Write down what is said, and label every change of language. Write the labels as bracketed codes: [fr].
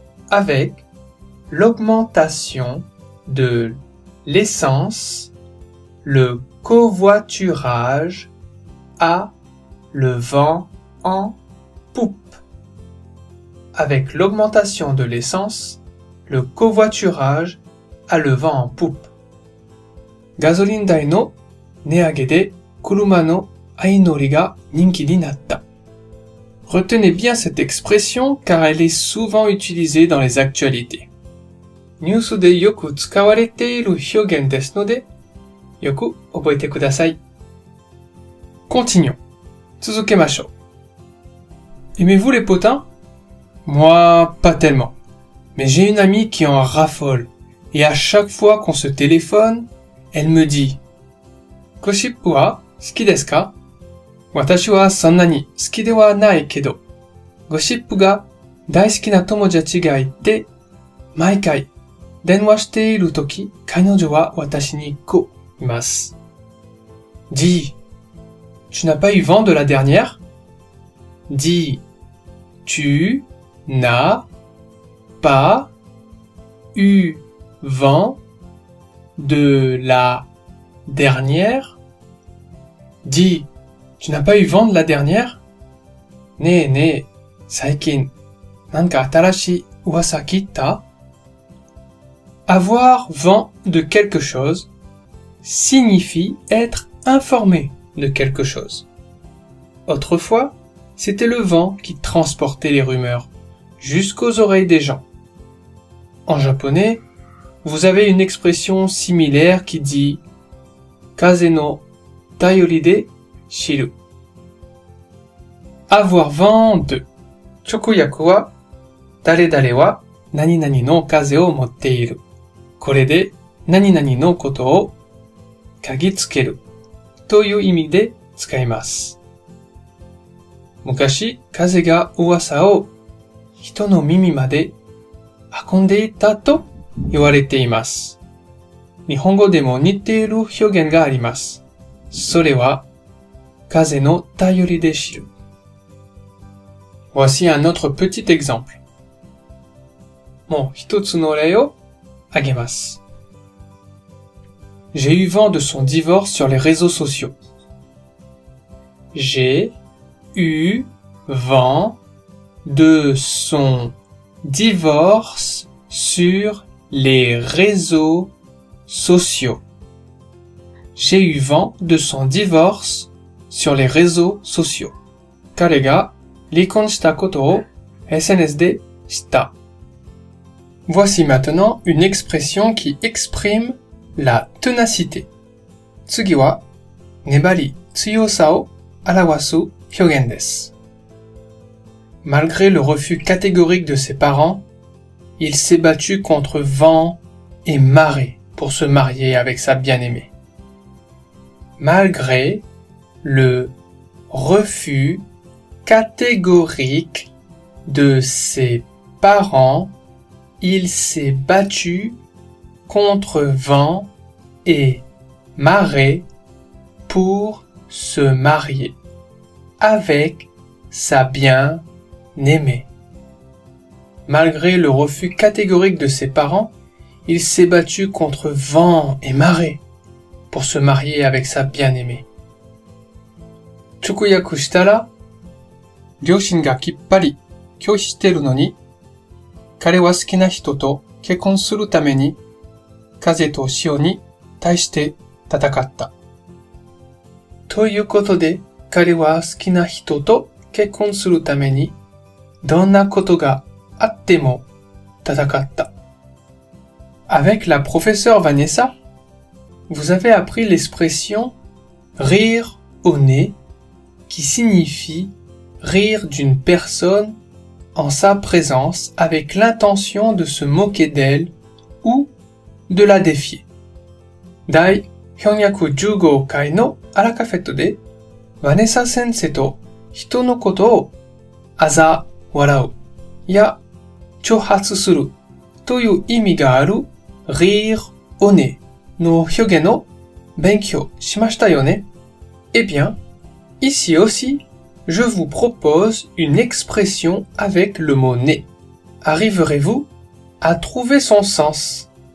[fr] Avec l'augmentation de l'essence, le covoiturage a le vent en poupe. Avec l'augmentation de l'essence, le covoiturage a le vent en poupe. [ja] ガソリン代の値上げで車の相乗りが人気になった。 [fr] Retenez bien cette expression car elle est souvent utilisée dans les actualités. [ja] ニュースでよく使われている表現ですので、よく覚えてください。 [fr] Continuons. [ja] 続けましょう。 [fr] Aimez-vous les potins? Moi, pas tellement. Mais j'ai une amie qui en raffole. Et à chaque fois qu'on se téléphone, elle me dit. [ja] ゴシップは好きですか?私はそんなに好きではないけど、ゴシップが大好きな友達がいて、毎回電話しているとき、彼女は私にこう言います。 [fr] Dis, tu n'as pas eu vent de la dernière? Dis, tu n'as pas eu vent de la dernière? Dis,Tu n'as pas eu vent de la dernière? [ja] ねえねえ、最近、なんか新しい噂聞いた? [fr] Avoir vent de quelque chose signifie être informé de quelque chose. Autrefois, c'était le vent qui transportait les rumeurs jusqu'aux oreilles des gens. En japonais, vous avez une expression similaire qui dit [ja] Kaze no tayori de shiru. [fr] Avoir vent de [ja] 直訳は誰々は何々の風を持っている。これで何々のことを嗅ぎつけるという意味で使います。昔、風が噂を人の耳まで運んでいたと言われています。日本語でも似ている表現があります。それは風の頼りで知る。 [fr] Voici un autre petit exemple. [ja] もう一つの例をあげます。 [fr] J'ai eu vent de son divorce sur les réseaux sociaux. J'ai eu vent de son divorce sur les réseaux sociaux. J'ai eu vent de son divorce sur les réseaux sociaux. Kalega. [ja] 離婚したことを SNS で知った。 [fr] Voici maintenant une expression qui exprime la ténacité. [ja] 次は、粘り強さを表す表現です。 [fr] Malgré le refus catégorique de ses parents, il s'est battu contre vent et marée pour se marier avec sa bien-aimée. Malgré le refusCatégorique de ses parents, il s'est battu contre vent et marée pour se marier avec sa bien-aimée. Malgré le refus catégorique de ses parents, il s'est battu contre vent et marée pour se marier avec sa bien-aimée. [ja] Tsukuyaku Shitara? 両親がきっぱり拒否しているのに、彼は好きな人と結婚するために、風と潮に対して戦った。ということで、彼は好きな人と結婚するために、どんなことがあっても戦った。 [fr] Avec la professeure Vanessa, vous avez appris l'expression rire au nez qui signifie rire d'une personne en sa présence avec l'intention de se moquer d'elle ou de la défier. [ja] 第415回のアラカフェットで、ヴァネサ先生と人のことをあざ笑うや挑発するという意味があるリーグオネの表現を勉強しましたよね。 [fr] Eh bien, ici aussi, je vous propose une expression avec le mot ne. Arriverez-vous à trouver son sens?